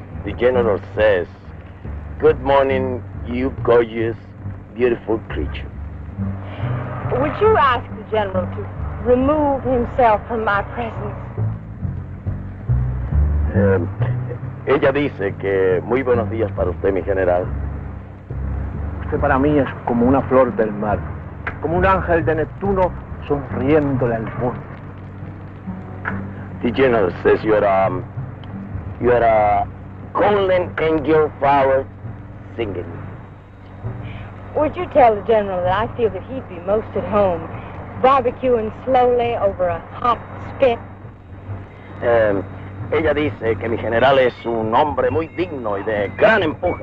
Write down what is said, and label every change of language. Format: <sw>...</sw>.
<en>The general says, good morning, you gorgeous, beautiful creature. Would you ask the general to remove himself from my presence?</en> <es>Ella dice que muy buenos días para usted, mi general. Usted para mí es como una flor del mar, como un ángel de Neptuno sonriéndole al mundo.</es> <en>The general says you're a golden angel flower singing. Would you tell the general that I feel that he'd be most at home barbecuing slowly over a hot spit?</en> <es>Ella dice que mi general es un hombre muy digno y de gran empuje.</es>